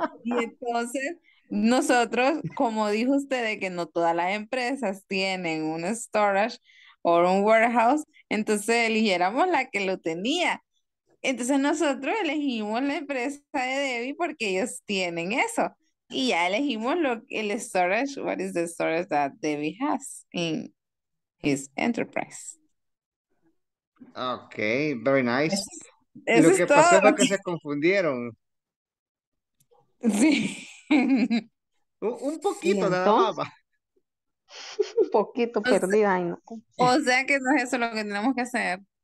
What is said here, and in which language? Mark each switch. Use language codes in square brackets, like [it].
[es] Y entonces, nosotros, como dijo usted, de que no todas las empresas tienen un storage o un warehouse, entonces eligiéramos la que lo tenía. Entonces, nosotros elegimos la empresa de Debbie porque ellos tienen eso. Y ya elegimos el storage, [en] what is the storage that Debbie has in his enterprise. Okay, very nice. [es] Eso lo que es pasó todo. Es que se confundieron. Sí. Un poquito, nada más. Un poquito perdida. O sea que no es eso lo que tenemos que hacer.